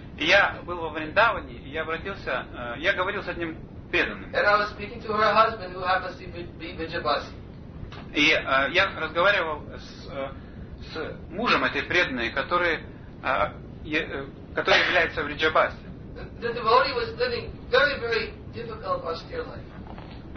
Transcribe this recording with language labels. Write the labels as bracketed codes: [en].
[ru] Я был во Вриндаване, и я обратился, я говорил с одним преданным. [en] And I was speaking to her husband, who happens to be Vijabasi. [ru] И я разговаривал с мужем этой преданной, который является Vijabasi. [en] The devotee was living very, very difficult austere life.